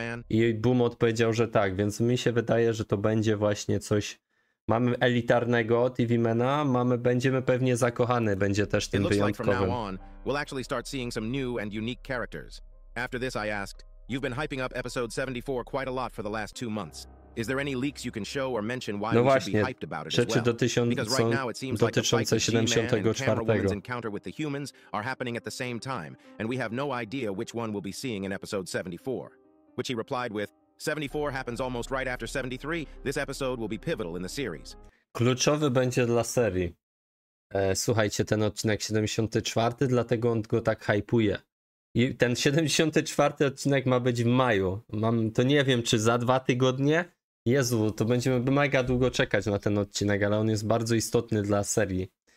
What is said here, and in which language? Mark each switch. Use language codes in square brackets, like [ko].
[pl] I Boom odpowiedział, że tak, więc mi się wydaje, że to będzie właśnie coś. Mamy elitarnego TV-mana, będziemy pewnie zakochany, będzie też tym wyjątkowym. [en] We'll actually start seeing some new and unique characters. After this I asked, you've been hyping up episode 74 quite a lot for the last 2 months. Is there any leaks you can show or mention why we should be hyped about it as well? [pl] Rzeczy dotyczące 74. [en] Encounter with the humans are happening at the same time and we have no idea which one we'll be seeing in episode 74. Which he replied with, 74 happens almost right after 73. This episode will be pivotal in the series. [pl] Kluczowy będzie dla serii. Słuchajcie, ten odcinek 74, dlatego on go tak hypuje. I ten 74 odcinek ma być w maju. To nie wiem, czy za 2 tygodnie. Jezu, to będziemy mega długo czekać na ten odcinek, ale on jest bardzo istotny dla serii.